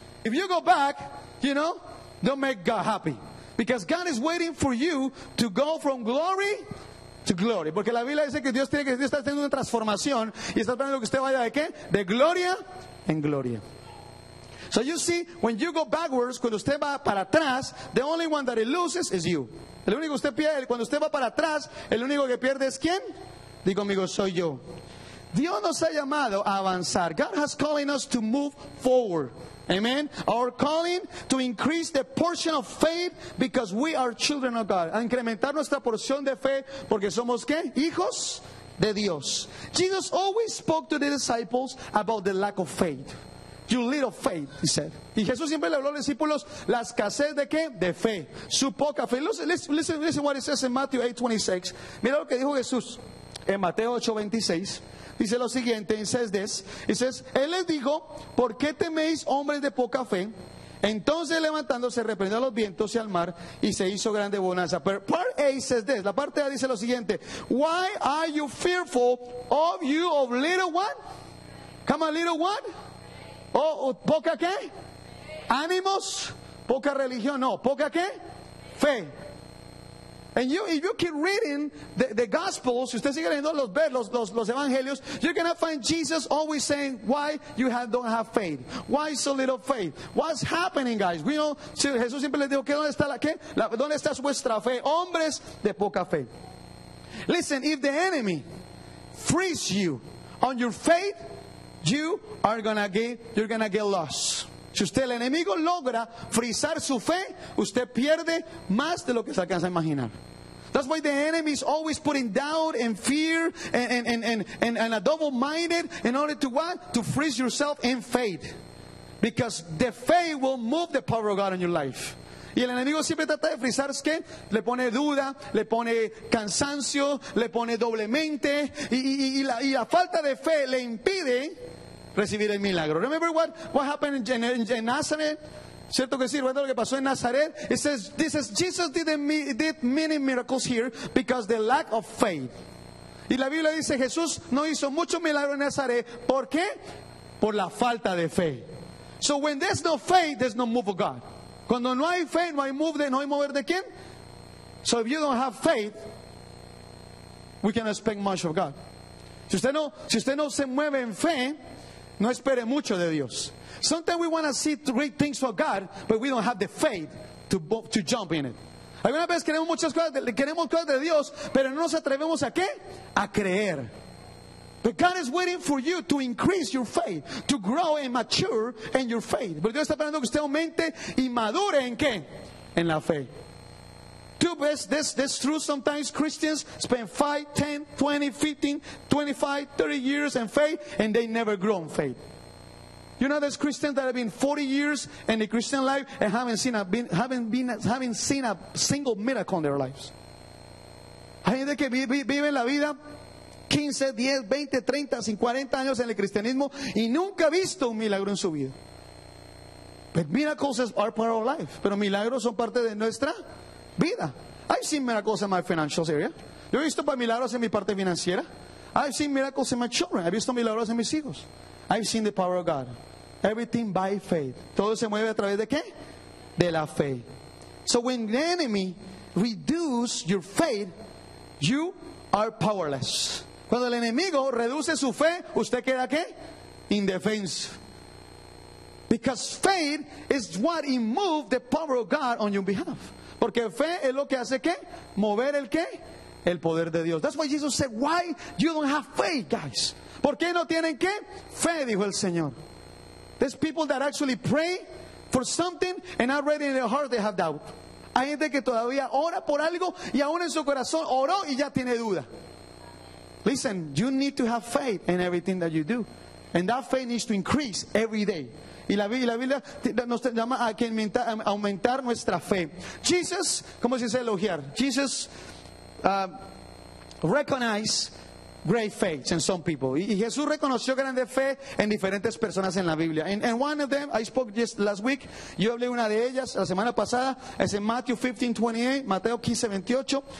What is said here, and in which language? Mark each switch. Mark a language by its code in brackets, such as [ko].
[en] If you go back, you know, don't make God happy. Because God is waiting for you to go from glory to glory. [es] Porque la Biblia dice que Dios tiene que Dios está haciendo una transformación y está esperando que usted vaya de qué? De gloria en gloria. [en] So you see, when you go backwards, [es] cuando usted va para atrás, [en] the only one that it loses is you. [es] El único que usted pierde, cuando usted va para atrás, el único que pierde es ¿quién? Digo, amigo, soy yo. Dios nos ha llamado a avanzar. [en] God has calling us to move forward. Amen. Our calling to increase the portion of faith because we are children of God. [es] A incrementar nuestra porción de fe porque somos ¿qué? Hijos de Dios. [en] Jesus always spoke to the disciples about the lack of faith. Your little faith, he said. [es] Y Jesús siempre le habló a los discípulos la escasez de qué? De fe. Su poca fe. [en] Listen what it says in Matthew 8:26. [es] Mira lo que dijo Jesús en Mateo 8:26. Dice lo siguiente, [en] it says this. It says, [es] él les dijo, ¿por qué teméis hombres de poca fe? Entonces levantándose reprendió a los vientos y al mar y se hizo grande bonanza. Pero [en] part A says this. [es] La parte A dice lo siguiente. [en] Why are you fearful of you of little one? Come on, little one. [es] Oh, ¿poca qué? Ánimos. ¿Poca religión? No. ¿Poca qué? Fe. [en] And you, if you keep reading the Gospels, [es] si usted sigue leyendo los Evangelios, [en] you're going to find Jesus always saying, why you don't have faith? Why so little faith? What's happening, guys? We know, [es] si Jesús siempre les dijo, ¿qué, dónde está la, qué? La, ¿dónde está vuestra fe? Hombres de poca fe. [en] Listen, if the enemy frees you on your faith, you're going to get lost. [es] Si usted el enemigo logra frizar su fe, usted pierde más de lo que se alcanza a imaginar. [en] That's why the enemy is always putting doubt and fear and a double-minded in order to what? To freeze yourself in faith. Because the faith will move the power of God in your life. [es] Y el enemigo siempre trata de frizar, ¿qué? Le pone duda, le pone cansancio, le pone doblemente y la falta de fe le impide recibir el milagro. [en] Remember what happened in Nazareth? [es] Cierto que sí, recuerda lo que pasó en Nazaret. [en] It says, this is, Jesus did many miracles here because the lack of faith. [es] Y la Biblia dice, Jesús no hizo muchos milagros en Nazaret. ¿Por qué? Por la falta de fe. [en] So when there's no faith, there's no move of God. [es] Cuando no hay fe, no hay move de, no hay mover de quién. [en] So if you don't have faith, we can expect much of God. [es] Si usted no se mueve en fe, no espere mucho de Dios. [en] Sometimes we want to see great things for God, but we don't have the faith to jump in it. [es] Algunas veces queremos muchas cosas, queremos cosas de Dios, pero no nos atrevemos a qué? A creer. [en] But God is waiting for you to increase your faith, to grow and mature in your faith. [es] Pero Dios está esperando que usted aumente y madure en qué? En la fe. [en] This true. Sometimes Christians spend 5, 10, 20, 15, 25, 30 years in faith and they never grow in faith. You know, there's Christians that have been 40 years in the Christian life and haven't seen a single miracle in their lives. [es] Hay gente que vive la vida 15, 10, 20, 30, 40 años en el cristianismo y nunca ha visto un milagro en su vida. [en] But miracles are part of life. [es] Pero milagros son parte de nuestra vida. [en] I've seen miracles in my financial area. [es] Yo he visto milagros en mi parte financiera. [en] I've seen miracles in my children. [es] He visto milagros en mis hijos. [en] I've seen the power of God. Everything by faith. [es] Todo se mueve a través de qué? De la fe. [en] So when the enemy reduces your faith, you are powerless. [es] Cuando el enemigo reduce su fe, usted queda qué? Indefenso. [en] Because faith is what moves the power of God on your behalf. [es] Porque fe es lo que hace qué? Mover el qué? El poder de Dios. [en] That's why Jesus said, why you don't have faith, guys? [es] ¿Por qué no tienen qué? Fe, dijo el Señor. [en] There's people that actually pray for something and already in their heart they have doubt. [es] Hay gente que todavía ora por algo y aún en su corazón oró y ya tiene duda. [en] Listen, you need to have faith in everything that you do. And that faith needs to increase every day. [es] Y la Biblia nos llama a que aumentar nuestra fe. [en] Jesus, [es] ¿cómo se dice elogiar? [en] Jesus recognized great faith in some people. [es] Y Jesús reconoció grande fe en diferentes personas en la Biblia. [en] And one of them, I spoke just last week, [es] yo hablé una de ellas la semana pasada, es en Mateo 15, 28.